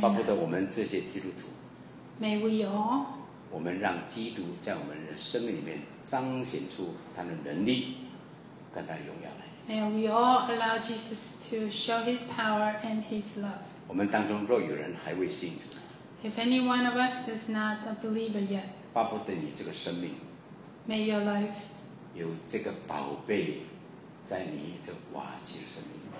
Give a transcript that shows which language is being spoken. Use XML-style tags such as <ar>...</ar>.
<zh>巴不得我们这些基督徒。</zh> <en>May we all.</en> <zh>我们让基督在我们的生命里面彰显出他的能力，跟他的荣耀来。</zh> <en>May we all allow Jesus to show His power and His love.</en> <zh>我们当中若有人还未信主，</zh> <en>If any one of us is not a believer yet,</en> <zh>巴不得你这个生命，</zh> <en>May your life</en> <zh>有这个宝贝在你的瓦器的生命，</zh>